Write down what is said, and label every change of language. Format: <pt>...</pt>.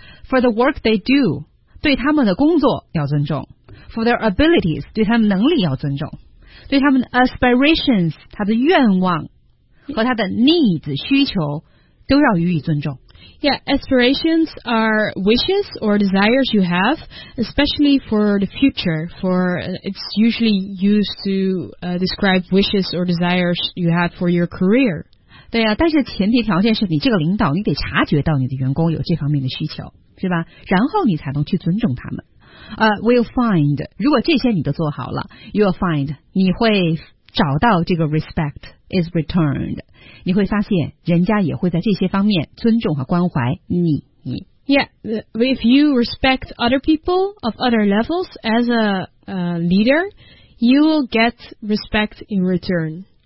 <en>For the work they do</en> <zh>对他们的工作要尊重</zh> <en>For their abilities</en> <zh>对他们能力要尊重对他们的 aspirations 他的愿望和他的 needs 需求都要予以尊重</zh> <en>Yeah, aspirations are wishes or desires you have, especially for the future. It's usually used to describe wishes or desires you have for your career.</en> <zh>对啊，但是前提条件是你这个领导，你得察觉到你的员工有这方面的需求，是吧？然后你才能去尊重他们。</zh> <en>We'll find,</en> <zh>如果这些你都做好了 ,</zh> <en>you'll find,</en> <zh>你会找到这个</zh> <en>respect is returned.</en> <zh>你会发现人家也会在这些方面尊重和关怀你。</zh> <en>Yeah, if you respect other people of other levels as a leader, you will get respect in return.</en>